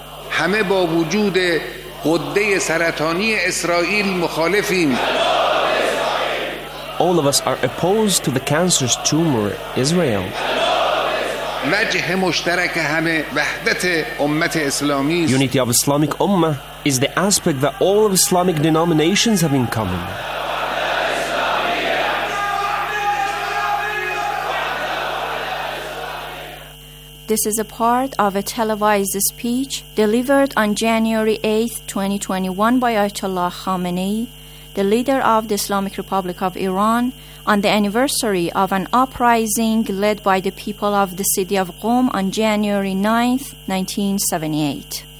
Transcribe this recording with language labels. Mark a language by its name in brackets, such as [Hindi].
[Persian] همه با وجود قده سرطانی اسرائیل مخالفیم [English] All of us are opposed to the cancerous tumor Israel [Persian] وجه مشترک همه وحدت امت اسلامی [English] Unity of Islamic Ummah is the aspect that all of Islamic denominations have in common. This is a part of a televised speech delivered on January 8, 2021 by Ayatollah Khamenei, the leader of the Islamic Republic of Iran, on the anniversary of an uprising led by the people of the city of Qom on January 9, 1978.